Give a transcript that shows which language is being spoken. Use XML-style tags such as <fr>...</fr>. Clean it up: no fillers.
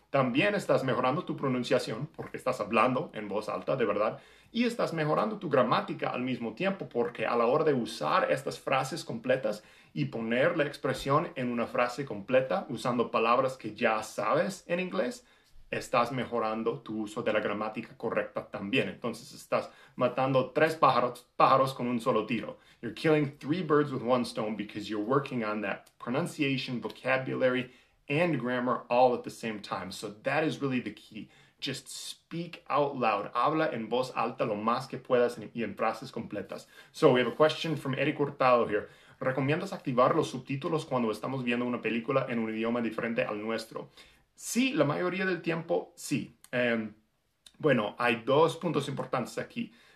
<es>También estás mejorando tu pronunciación porque estás hablando en voz alta, de verdad, y estás mejorando tu gramática al mismo tiempo, porque a la hora de usar estas frases completas y poner la expresión en una frase completa usando palabras que ya sabes en inglés, estás mejorando tu uso de la gramática correcta también. Entonces, estás matando tres pájaros con un solo tiro.</es> <en>You're killing three birds with one stone because you're working on that pronunciation, vocabulary, and grammar all at the same time. So that is really the key. Just speak out loud.</en> <es>Habla en voz alta lo más que puedas y en frases completas.</es> <en>So we have a question from Eric Hurtado here.</en> <es>¿Recomiendas activar los subtítulos cuando estamos viendo una película en un idioma diferente al nuestro? Sí, la mayoría del tiempo, sí. Bueno, hay dos puntos importantes aquí.</es>